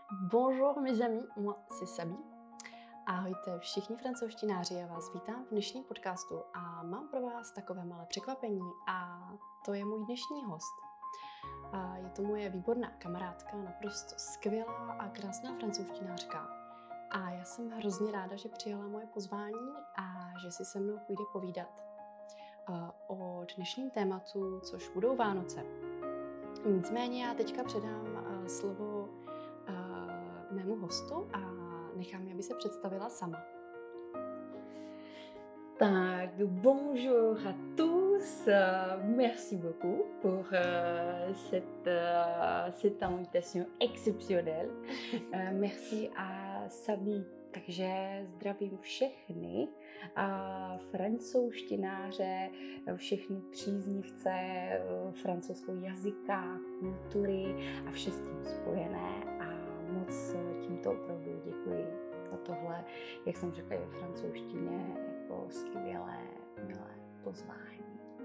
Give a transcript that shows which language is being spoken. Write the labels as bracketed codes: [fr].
[fr] Bonjour mes amis, moi c'est Sabi. [cs] Ahojte všichni francouzštináři, já vás vítám v dnešním podcastu a mám pro vás takové malé překvapení a to je můj dnešní host. A je to moje výborná kamarádka, naprosto skvělá a krásná francouzštinářka. A já jsem hrozně ráda, že přijala moje pozvání a že si se mnou půjde povídat o dnešním tématu, což budou Vánoce. Nicméně já teďka předám slovo mému hostu a nechám, aby se představila sama. [fr] Tak, bonjour à tous, merci beaucoup pour cette invitation exceptionnelle. Merci à Sabi. [cs] Takže zdravím všechny francouzštináře, všechny příznivce francouzského jazyka, kultury a vše s tím spojené. A moc tímto opravdu děkuji za tohle, jak jsem řekla ve francouzštině, jako skvělé, milé pozvání.